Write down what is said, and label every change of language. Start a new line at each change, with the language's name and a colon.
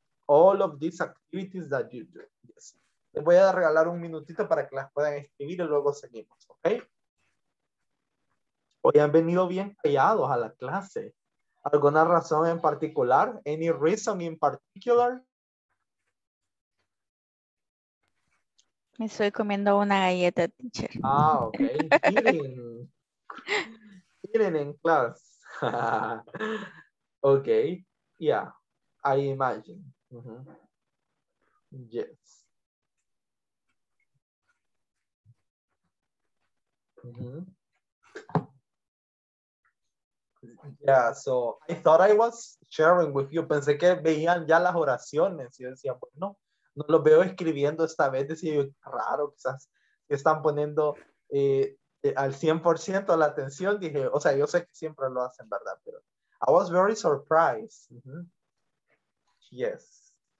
English: All of these activities that you do, yes.
Spanish: Les voy a regalar un minutito para que las puedan escribir y luego seguimos, ¿ok? Hoy han venido bien callados a la clase. ¿Alguna razón en particular?
English: Any reason in particular?
Spanish: Me estoy comiendo una galleta, teacher. Ah, ok. Miren en clase.
English: Okay, yeah, I imagine. Mm-hmm. Yes. Mm-hmm. Yeah, so I thought I was sharing with you.
Spanish: Pensé que veían ya las oraciones. Yo decía, bueno, no los veo escribiendo esta vez. Decía yo, raro, quizás están poniendo... al 100% la atención, dije, o sea, yo sé que siempre lo hacen, ¿verdad? Pero
English: I was very surprised. Mm-hmm. Yes.